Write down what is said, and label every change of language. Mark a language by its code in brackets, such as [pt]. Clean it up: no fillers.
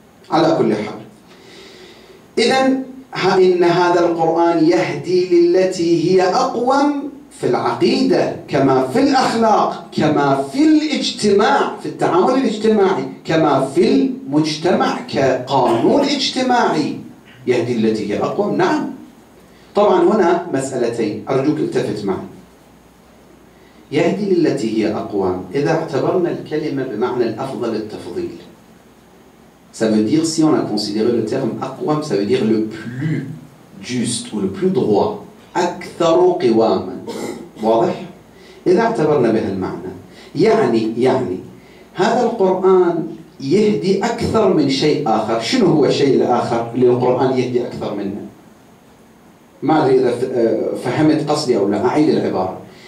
[ar] على كل حال، إذن إن هذا القرآن يهدي للتي هي أقوم في العقيدة كما في الأخلاق كما في الاجتماع، في التعامل الاجتماعي كما في المجتمع كقانون اجتماعي، يهدي التي هي أقوم. نعم، طبعا هنا مسألتين أرجوك التفت معي. يهدي للتي هي أقوم، إذا اعتبرنا الكلمة بمعنى الأفضل التفضيل، [fr] ça veut dire si on a considéré le terme أقوم ça veut dire le plus juste ou le plus droit، [ar] أكثر قواما. واضح؟ إذا اعتبرنا به المعنى، يعني هذا القرآن يهدي أكثر من شيء آخر. شنو هو الشيء الآخر للقرآن يهدي أكثر منه؟ ما أدري إذا فهمت قصدي أو لا، أعيد العبارة.